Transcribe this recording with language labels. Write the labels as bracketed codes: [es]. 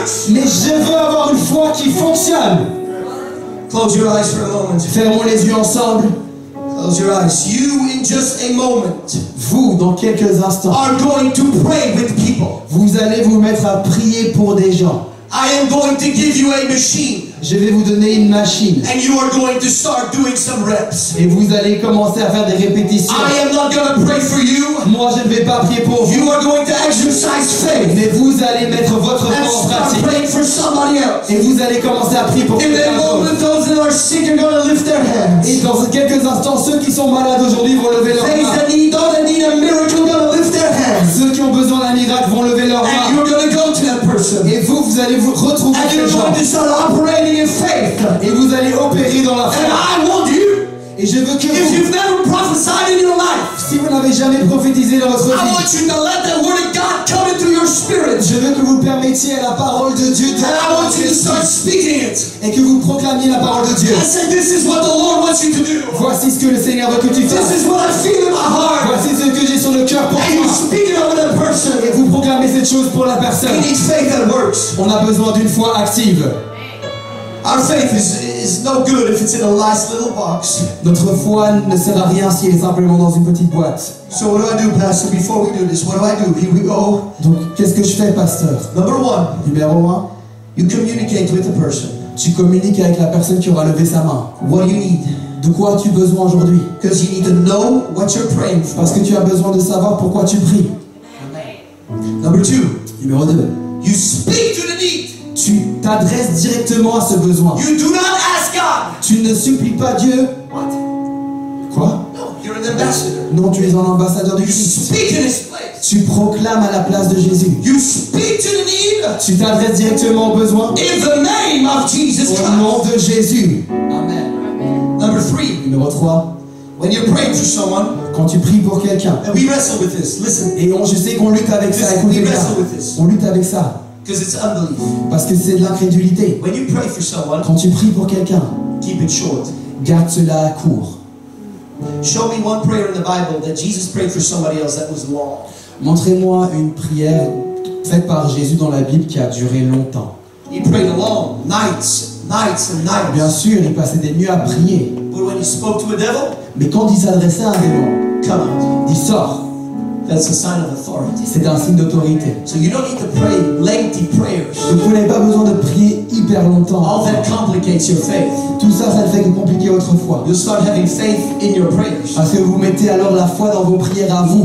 [fr] Mais je veux avoir une foi qui fonctionne. [en] Close your eyes for a moment. [fr] Fermons les yeux ensemble. [en] Close your eyes. You in just a moment. [fr] Vous dans quelques instants. [en] Are going to pray with people. [fr] Vous allez vous mettre à prier pour des gens. [en] I am going to give you a machine. [fr] Je vais vous donner une machine. [en] And you are going to start doing some reps. [fr] Et vous allez commencer à faire des répétitions. [en] I am not going to pray for you. [fr] Moi, je ne vais pas prier pour vous. [en] You are going to exercise faith. [fr] Mais vous allez mettre votre foi en pratique. [en] And praying for somebody else. [fr] Et vous allez commencer à prier pour quelqu'un d'autre. [en] Those that are sick are going to lift their hands. [fr] Et dans quelques instants, ceux qui sont malades aujourd'hui vont lever leurs mains. [en] Those that need a miracle are going to lift their hands. [fr] Ceux qui ont besoin d'un miracle vont lever leurs mains. [en] And you're going to go to that person. [fr] Et vous allez vous retrouver avec ces gens. [en] And you're going to start operating. [fr] Et vous allez opérer dans la foi. [en] And I want you, [fr] et je veux que [en] if [fr] vous, [en] you've never prophesied in your life, [fr] si vous n'avez jamais prophétisé dans votre vie, [en] I want you to let the word of God come into your spirit. [fr] Je veux que vous permettiez à la parole de Dieu [en] de I want you to start speaking it. [fr] Et que vous proclamiez la parole de Dieu. [en] I said, this is what the Lord wants you to do. [fr] Voici ce que le Seigneur veut que tu fasses. [en] This is what I feel in my heart. [fr] Voici ce que j'ai sur le cœur pour [en] and [fr] toi. [en] You speak it over the person. [fr] Et vous proclamez cette chose pour la personne. [en] We need faith that works. [fr] On a besoin d'une foi active. [en] Our faith is no good if it's in a last little box. [fr] Notre foi ne sert à rien si elle est simplement dans une petite boîte. [en] So what do I do, Pastor? Before we do this, what do I do? Here we go. [fr] Donc, qu'est-ce que je fais, Pasteur? [en] Number one. [fr] Numéro un. [en] You communicate with the person. [fr] Tu communiques avec la personne qui aura levé sa main. [en] What do you need? [fr] De quoi as-tu besoin aujourd'hui? [en] Because you need to know what you're praying for. [fr] Parce que tu as besoin de savoir pourquoi tu pries. [en] Number two. [fr] Numéro deux. [en] You speak to the need. [fr] Tu t'adresses directement à ce besoin. [en] You do not ask God. [fr] Tu ne supplies pas Dieu. [en] What? [fr] Quoi? [en] No, you're an ambassador. [fr] Non, tu es un ambassadeur de [en] you [fr] Christ. [en] Speak in his place. [fr] Tu proclames à la place de Jésus. [en] You speak to the need. [fr] Tu t'adresses directement au besoin. [en] In the name of Jesus Christ. [fr] Au nom de Jésus. [en] Amen. Number three. [fr] Numéro 3. [en] When you pray for someone, [fr] quand tu pries pour quelqu'un. [en] And we wrestle with this. Listen. [fr] Et je sais qu'on lutte avec [en] this, [fr] ça. Écoutez [en] we wrestle with this. [fr] On lutte avec ça. [en] Because it's unbelief. [fr] Parce que c'est de l'incrédulité. [en] When you pray for someone, [fr] quand tu pries pour quelqu'un, [en] keep it short. [fr] Garde cela à court. [en] Show me one prayer in the Bible that Jesus prayed for somebody else that was long. [fr] Montrez-moi une prière faite par Jésus dans la Bible qui a duré longtemps. [en] He prayed long, nights and nights. [fr] Bien sûr, il passait des nuits à prier. [en] But when he spoke to a devil, [fr] mais quand il s'adressait à un démon, [en] come out. [fr] Il sort. [en] That's a sign of authority. [fr] C'est un signe d'autorité. [en] So you don't need to pray lengthy prayers. [fr] Vous n'avez pas besoin de prier hyper longtemps. [en] All that complicates your faith. [fr] Tout ça, ça ne fait que compliquer votre foi. [en] You start having faith in your prayers. [fr] Parce que vous mettez alors la foi dans vos prières à vous.